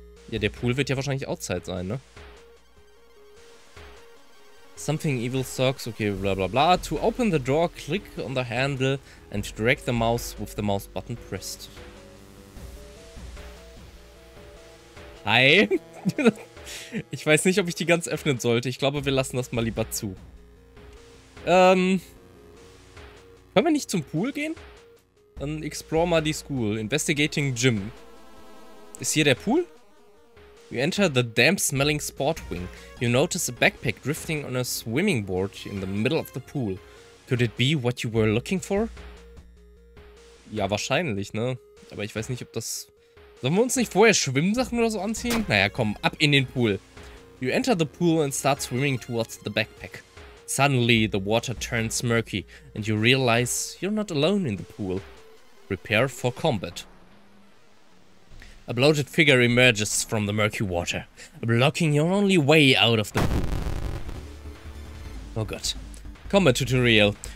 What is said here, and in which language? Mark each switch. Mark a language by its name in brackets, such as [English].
[German] Ja, der Pool wird ja wahrscheinlich outside sein, ne? [English] Something evil sucks. Okay, bla bla bla. To open the door, click on the handle and drag the mouse with the mouse button pressed. Hi. [German] Ich weiß nicht, ob ich die ganz öffnen sollte. Ich glaube, wir lassen das mal lieber zu. Können wir nicht zum Pool gehen? Dann explore mal die School. [English] Investigating Gym. [German] Ist hier der Pool? [English] You enter the damp-smelling sport wing. You notice a backpack drifting on a swimming board in the middle of the pool. Could it be what you were looking for? [German] Ja, wahrscheinlich, ne? Aber ich weiß nicht, ob das... Sollen wir uns nicht vorher Schwimmsachen oder so anziehen? Naja, komm, ab in den Pool. [English] You enter the pool and start swimming towards the backpack. Suddenly, the water turns murky and you realize you're not alone in the pool. Prepare for combat. A bloated figure emerges from the murky water, blocking your only way out of the pool. Oh god. Combat tutorial.